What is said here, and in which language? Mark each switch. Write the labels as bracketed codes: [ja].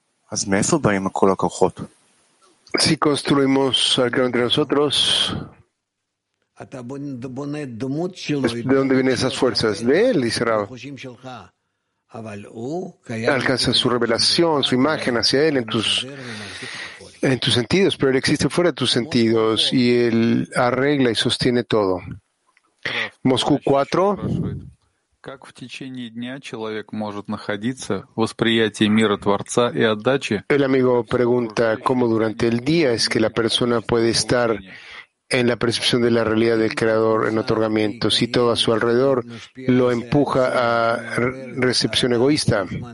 [es] Si construimos al Creador entre nosotros, ¿de dónde vienen esas fuerzas? De él, dice Rab. Alcanza su revelación, su imagen hacia él en tus sentidos, pero él existe fuera de tus sentidos y él arregla y sostiene todo. Moscú 4. [ru] Как в течение дня человек может находиться в восприятии мира Творца и отдачи? [es] El amigo pregunta cómo durante el día es que la persona puede estar en la percepción de la realidad del Creador en otorgamiento si todo a su alrededor lo empuja a recepción egoísta.